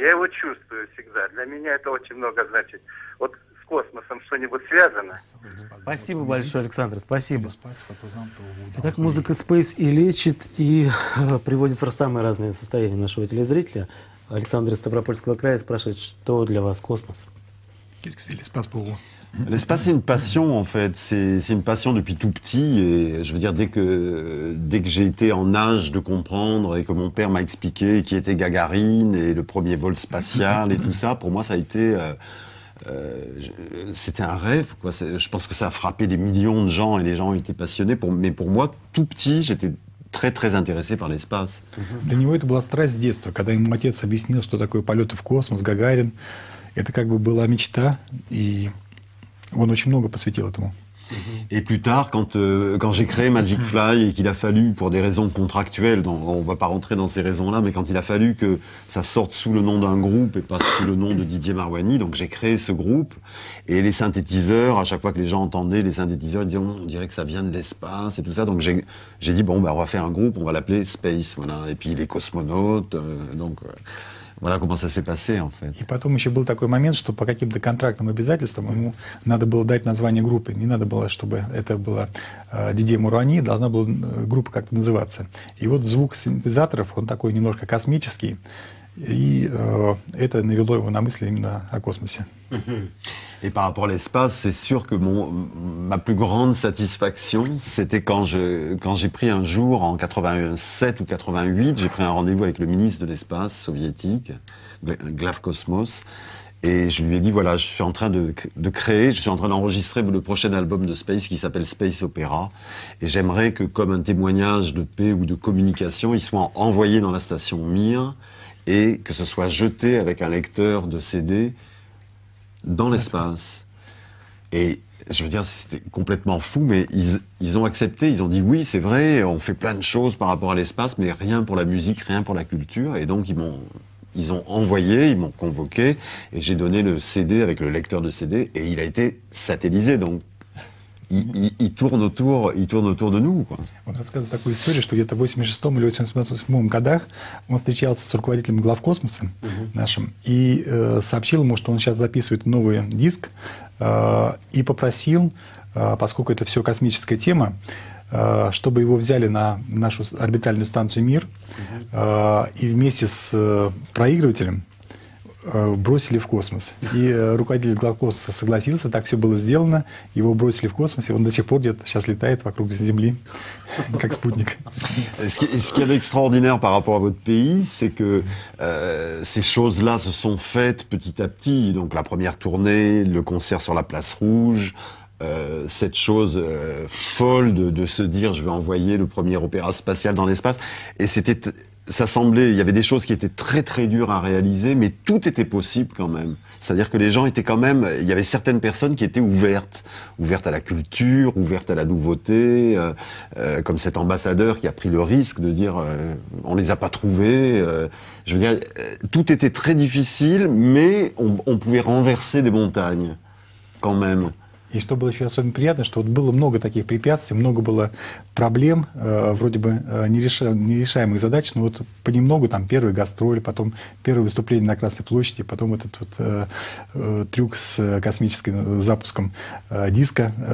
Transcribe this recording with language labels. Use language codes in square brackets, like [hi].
[ru] Я его чувствую всегда. Для меня это очень много значит. Вот космосом что-нибудь связано. Спасибо большое, Александр, спасибо. Итак, музыка Space и лечит, и приводит в самые разные состояния нашего телезрителя. Александр из Ставропольского края спрашивает, что для вас космос? [fr] L'espace, c'est une passion, en fait. C'est une passion depuis tout petit. Et je veux dire, dès que j'ai été en âge de comprendre et que mon père m'a expliqué qui était Gagarine et le premier vol spatial et tout ça, pour moi, ça a été... c'était un rêve, quoi. Je pense que ça a frappé des millions de gens et les gens étaient passionnés. Mais pour moi, tout petit, j'étais très très intéressé par l'espace. [ru] Для него это была страсть с детства, когда ему отец объяснил, что такое полеты в космос, Гагарин. Это как бы была мечта, и он очень много посвятил этому. [fr] Et plus tard, quand j'ai créé Magic Fly et qu'il a fallu, pour des raisons contractuelles, donc on ne va pas rentrer dans ces raisons-là, mais quand il a fallu que ça sorte sous le nom d'un groupe et pas sous le nom de Didier Marouani, donc j'ai créé ce groupe et les synthétiseurs, à chaque fois que les gens entendaient les synthétiseurs, ils disaient on dirait que ça vient de l'espace et tout ça, donc j'ai dit bon, bah, on va faire un groupe, on va l'appeler Space, voilà, et puis les cosmonautes, donc... Voilà comment ça s'est passé, en fait. [ru] И потом еще был такой момент, что по каким-то контрактным обязательствам ему надо было дать название группы. Не надо было, чтобы это было Дидье Марвани, должна была группа как-то называться. И вот звук синтезаторов, он такой немножко космический, и это навело его на мысли именно о космосе. [fr] Et par rapport à l'espace, c'est sûr que ma plus grande satisfaction, c'était quand j'ai pris un jour, en 87 ou 88, j'ai pris un rendez-vous avec le ministre de l'espace soviétique, Glavkosmos, et je lui ai dit, voilà, je suis en train de créer, je suis en train d'enregistrer le prochain album de Space qui s'appelle Space Opera, et j'aimerais que, comme un témoignage de paix ou de communication, il soit envoyé dans la station Mir, et que ce soit jeté avec un lecteur de CD, dans l'espace. Et je veux dire, c'était complètement fou, mais ils ont accepté, ils ont dit oui, c'est vrai, on fait plein de choses par rapport à l'espace, mais rien pour la musique, rien pour la culture. Et donc, ils ont envoyé, ils m'ont convoqué, et j'ai donné le CD avec le lecteur de CD, et il a été satellisé, donc il tourne autour de nous, quoi. [ru] Он рассказывает такую историю, что где-то в 86-м или 88-м годах он встречался с руководителем Главкосмоса нашим и сообщил ему, что он сейчас записывает новый диск, и попросил, поскольку это все космическая тема, чтобы его взяли на нашу орбитальную станцию Мир и вместе с проигрывателем бросили в космос. И руководитель Главкосмоса согласился, так все было сделано, его бросили в космос, и он до сих пор где-то сейчас летает вокруг Земли, как спутник. [fr] Ce qui est extraordinaire par rapport à votre pays, c'est que ces choses-là se sont faites petit à petit, donc la première tournée, le concert sur la Place Rouge, cette chose folle de se dire, je vais envoyer le premier opéra spatial dans l'espace, et c'était... ça semblait, il y avait des choses qui étaient très très dures à réaliser, mais tout était possible quand même. C'est-à-dire que les gens étaient quand même, il y avait certaines personnes qui étaient ouvertes, ouvertes à la culture, ouvertes à la nouveauté, comme cet ambassadeur qui a pris le risque de dire on les a pas trouvés. Je veux dire, tout était très difficile, mais on pouvait renverser des montagnes quand même. [ru] И что было еще особенно приятно, что вот было много таких препятствий, много было проблем, вроде бы нерешаемых задач, но вот понемногу там первый гастроль, потом первое выступление на Красной площади, потом этот вот трюк с космическим запуском диска.